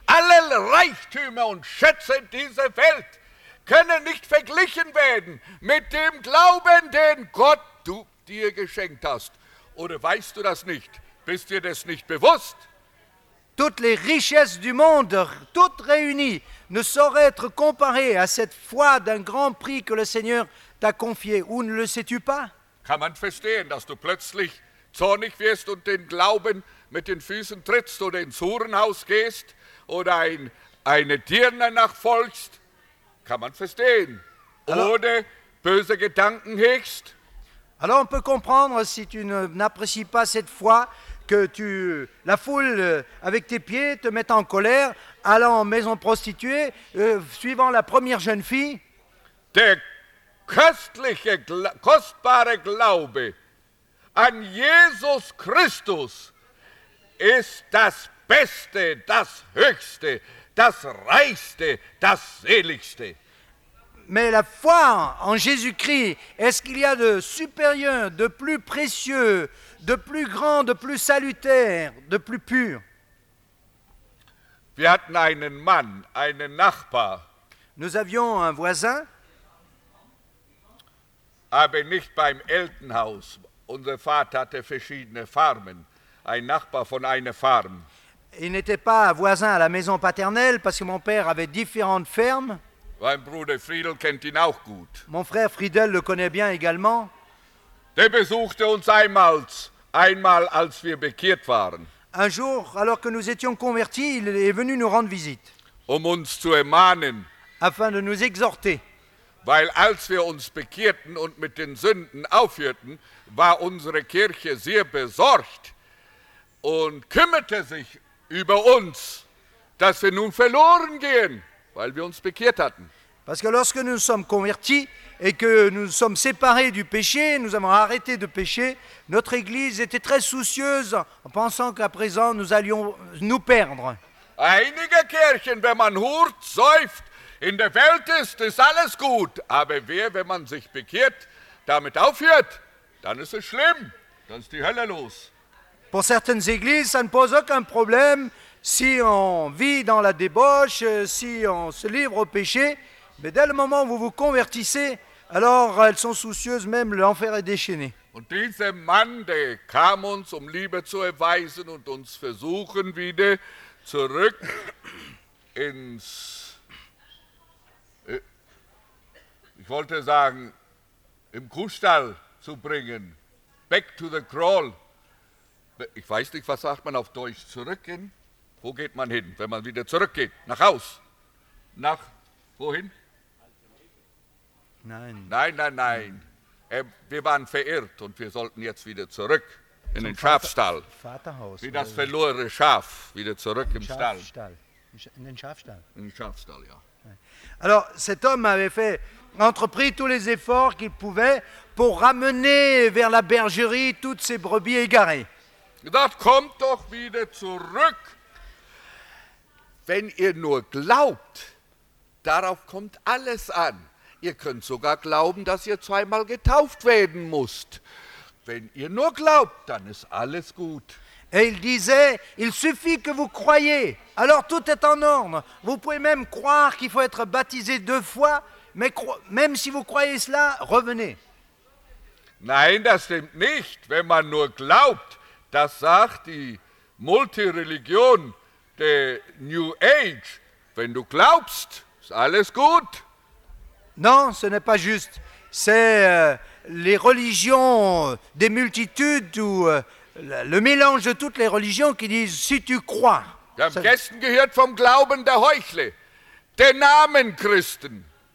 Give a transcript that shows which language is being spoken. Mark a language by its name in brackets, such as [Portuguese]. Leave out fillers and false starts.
[German] Alle Reichtümer und Schätze dieser Welt können nicht verglichen werden mit dem Glauben, den Gott du dir geschenkt hast. Oder weißt du das nicht? Bist dir das nicht bewusst? [French] Toutes les richesses du monde, toutes réunies, ne sauraient être comparées à cette foi d'un grand prix que le Seigneur t'a confié. Ou ne le sais-tu pas? [German] Kann man verstehen, dass du plötzlich zornig wirst und den Glauben mit den Füßen trittst oder ins Hurenhaus gehst oder eine Dirne nachfolgst? Kann man verstehen. Oder böse Gedanken hegst? [French] Alors on peut comprendre si tu n'apprécies pas cette foi, que tu, la foule avec tes pieds te mette en colère, allant en maison prostituée, suivant la première jeune fille. [German] Der köstliche, kostbare Glaube an Jesus Christus ist das Beste, das Höchste, das Reichste, das Seligste. [French] Mais la foi en Jésus-Christ, est-ce qu'il y a de supérieur, de plus précieux, de plus grand, de plus salutaire, de plus pur? [German] Wir hatten einen Mann, einen Nachbar. [French] Nous avions un voisin. [German] Aber nicht beim Elternhaus. Unser Vater hatte verschiedene Farmen. Ein Nachbar von einer Farm. [French] Il n'était pas voisin à la maison paternelle parce que mon père avait différentes fermes. [German] Mein Bruder Friedel kennt ihn auch gut. [French] Mon frère Friedel le connaît bien également. [German] Der besuchte uns einmal, als wir bekehrt waren. [French] Un jour, alors que nous étions convertis, il est venu nous rendre visite. [German] Um uns zu ermahnen. [French] Afin de nous exhorter. [German] Weil als wir uns bekehrten und mit den Sünden aufhörten, war unsere Kirche sehr besorgt und kümmerte sich über uns, dass wir nun verloren gehen. Weil wir uns bekehrt hatten. [French] Parce que lorsque nous sommes convertis et que nous sommes séparés du péché, nous avons arrêté de pécher, notre église était très soucieuse en pensant qu'à présent nous allions nous perdre. [German] Einige Kirchen, wenn man hurt, säuft, in der Welt ist alles gut. Aber wer, wenn man sich bekehrt, damit aufhört, dann ist es schlimm. Dann ist die Hölle los. [French] Pour certaines églises, ça ne pose aucun problème. Si on vit dans la débauche, si on se livre au péché, mais dès le moment où vous vous convertissez, alors elles sont soucieuses, même l'enfer est déchaîné. [German] Und dieser Mann, der kam uns, um Liebe zu erweisen und uns versuchen wieder zurück ins, ich wollte sagen, im Kuhstall zu bringen, [English] back to the crawl. [German] Ich weiß nicht, was sagt man auf Deutsch, zurück in? Wo geht man hin, wenn man wieder zurückgeht? Nach Haus? Nach wohin? Nein. Nein, nein, nein. Wir waren verirrt und wir sollten jetzt wieder zurück in den Schafstall. Vaterhaus. Wie das verlorene Schaf, wieder zurück im Stall. In den Schafstall. In den Schafstall, ja. [French] Alors, cet homme avait fait, entrepris tous les efforts qu'il pouvait pour ramener vers la bergerie toutes ses brebis égarées. [German] Gedacht, kommt doch wieder zurück. Wenn ihr nur glaubt, darauf kommt alles an. Ihr könnt sogar glauben, dass ihr zweimal getauft werden musst. Wenn ihr nur glaubt, dann ist alles gut. [French] Et il disait, il suffit que vous croyez, alors tout est en ordre. Vous pouvez même croire qu'il faut être baptisé deux fois, mais même si vous croyez cela, revenez. [German] Nein, das stimmt nicht, wenn man nur glaubt. Das sagt die Multireligion, der New Age. Wenn du glaubst, ist alles gut. [French] Non, ce n'est pas juste. C'est les religions des multitudes ou le mélange de toutes les religions qui disent si tu crois. [German] Wir haben gestern gehört vom Glauben der Heuchler, der Namenchristen.